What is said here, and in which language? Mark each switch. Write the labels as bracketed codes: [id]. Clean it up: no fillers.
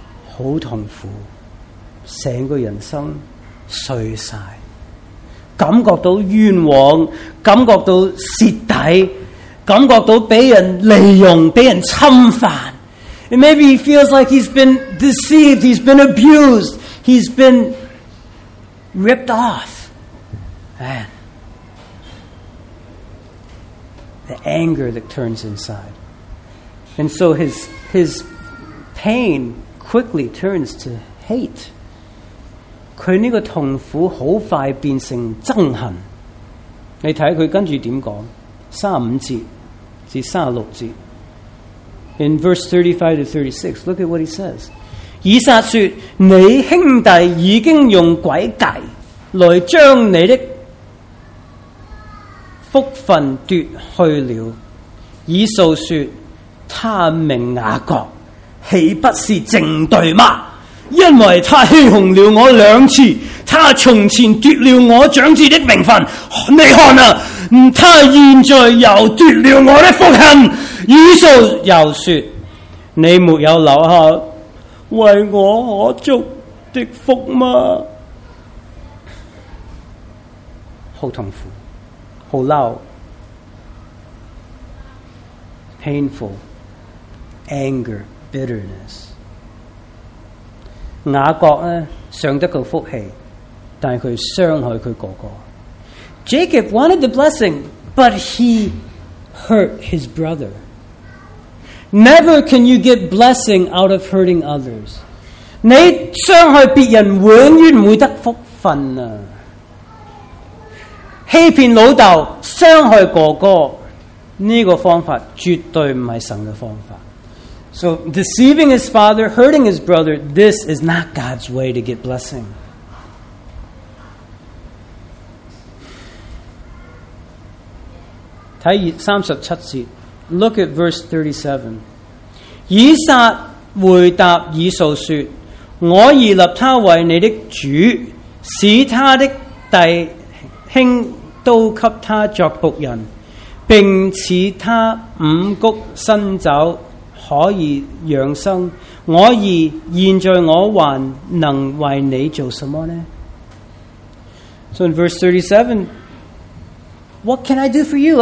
[zh] 好痛苦，整个人生碎晒，感觉到冤枉，感觉到蚀底，感觉到被人利用，被人侵犯。 [en] And maybe he feels like he's been deceived, he's been abused, he's been ripped off. Man. The anger that turns inside. And so his pain quickly turns to hate. [zh] 他这个痛苦很快变成憎恨。你看他跟着怎么说35节至36节。 [en] In verse 35 to 36, look at what he says. [zh] 以撒说：你兄弟已经用诡计来将你的福分夺去了。以扫说：他名雅各，岂不是正对吗？因为他欺哄了我两次，他从前夺了我长子的名分。你看啊，他现在又夺了我的福分。以扫又说：你没有留下为我可祝的福吗？好痛苦，好嬲 ， [en] painful anger bitterness。 [zh] 雅各呢想得个福气，但佢伤害佢哥哥。 [en] Jacob wanted the blessing, but he hurt his brother. Never can you get blessing out of hurting others. [zh] 你伤害别人永远不会得福分啊。欺骗老豆，伤害哥哥，这个方法绝对不是神的方法。 [en] So deceiving his father, hurting his brother, this is not God's way to get blessing. [zh] 看37节。 [en] Look at verse 37. [zh] 以撒回答以扫说：我已立他为你的主，使他的弟兄都给他作仆人，并赐他五谷新酒，可以养生。我已现在我还能为你做什么呢？ [en] So in verse 37, what can I do for you?